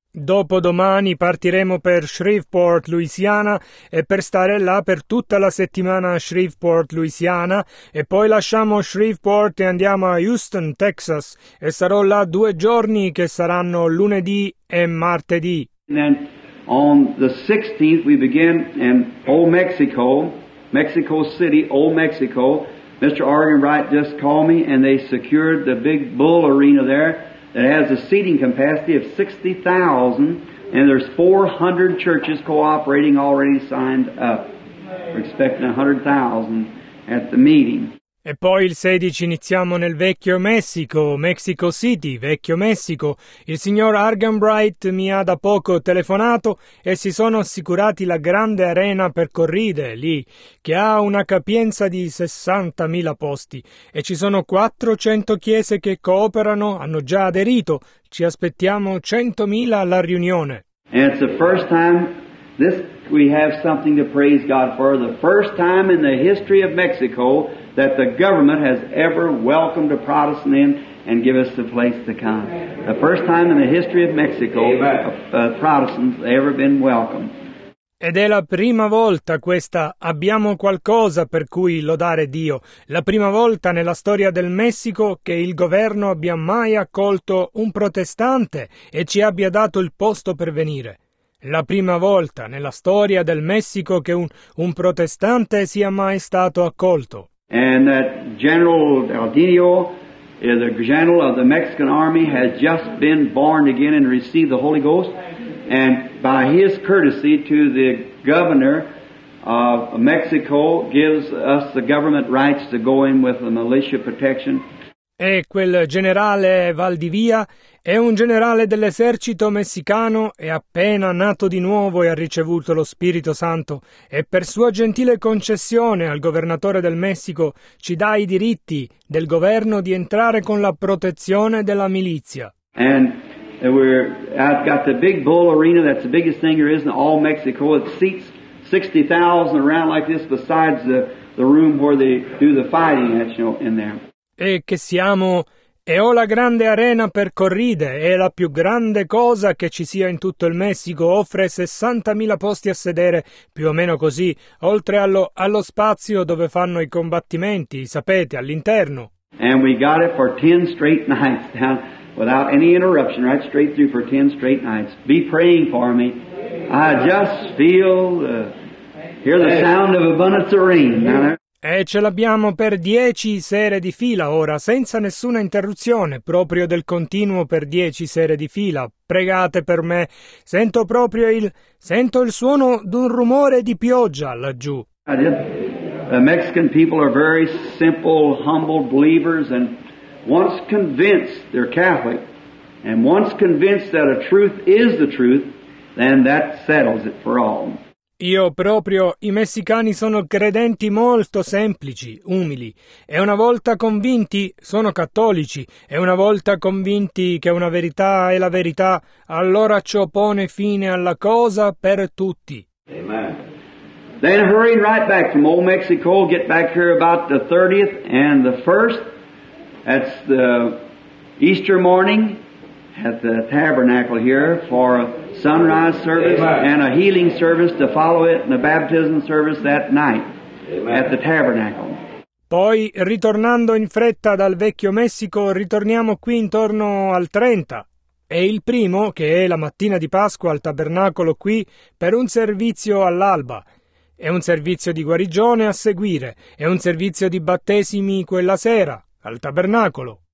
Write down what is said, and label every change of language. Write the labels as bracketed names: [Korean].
[Italian] Dopodomani partiremo per Shreveport, Louisiana, e per stare là per tutta la settimana a Shreveport, Louisiana, e poi lasciamo Shreveport e andiamo a Houston, Texas, e sarò là 2 giorni che saranno lunedì e martedì. [English] And then on the 16th we begin in Old Mexico, Mexico City, Old Mexico. Mr. Oregon Wright just called me and they secured the big bull arena there. It has a seating capacity of 60,000, and there's 400 churches cooperating already signed up. We're expecting 100,000 at the meeting. [Italian] E poi il 16 iniziamo nel vecchio Messico, Mexico City, vecchio Messico. Il signor Argenbright mi ha da poco telefonato e si sono assicurati la grande arena per corride lì, che ha una capienza di 60.000 posti. E ci sono 400 chiese che cooperano, hanno già aderito. Ci aspettiamo 100.000 alla riunione. [English] And it's the first time this we have something to praise God for, the first time in the history of Mexico that the government has ever welcomed a Protestant in and give us the place to come. The first time in the history of Mexico a Protestant has ever been welcomed. [Italian] Ed è la prima volta questa, abbiamo qualcosa per cui lodare Dio, la prima volta nella storia del Messico che il governo abbia mai accolto un protestante e ci abbia dato il posto per venire. La prima volta nella storia del Messico che un protestante sia mai stato accolto. [English] And that General Delgadillo, the general of the Mexican army, has just been born again and received the Holy Ghost. And by his courtesy to the governor of Mexico, gives us the government rights to go in with the militia protection. [Italian] E quel generale Valdivia è un generale dell'esercito messicano, è appena nato di nuovo e ha ricevuto lo Spirito Santo, e per sua gentile concessione al governatore del Messico ci dà i diritti del governo di entrare con la protezione della milizia. [English] And I've got the big bull arena, that's the biggest thing there is in all Mexico. It seats 60,000 around like this besides the room where they do the fighting, that's, you know, in there. [Italian] E che siamo, e ho la grande arena per corride, è la più grande cosa che ci sia in tutto il Messico, offre 60.000 posti a sedere, più o meno così, oltre allo spazio dove fanno i combattimenti, sapete, all'interno. [English] And we got it for 10 straight nights, down, without any interruption, right straight through for 10 straight nights. Be praying for me. I just feel, hear the sound of abundance of rain. [Italian] E ce l'abbiamo per 10 sere di fila ora, senza nessuna interruzione, proprio del continuo per 10 sere di fila. Pregate per me. Sento proprio il suono d'un rumore di pioggia laggiù. [English] The Mexican people are very simple, humble believers, and once convinced they're Catholic, and once convinced that a truth is the truth, then that settles it for all. [Italian] Io proprio, i messicani sono credenti molto semplici, umili, e una volta convinti sono cattolici, e una volta convinti che una verità è la verità, allora ciò pone fine alla cosa per tutti. [English] Amen. Then hurry right back from Old Mexico, get back here about the 30th and the 1st, that's the Easter morning, at the tabernacle here for a sunrise service. Amen. And a healing service to follow it, and a baptism service that night. Amen. At the tabernacle. [Italian] Poi, ritornando in fretta dal vecchio Messico, ritorniamo qui intorno al 30. E il primo, che è la mattina di Pasqua, al tabernacolo qui, per un servizio all'alba. È un servizio di guarigione a seguire. È un servizio di battesimi quella sera, al tabernacolo.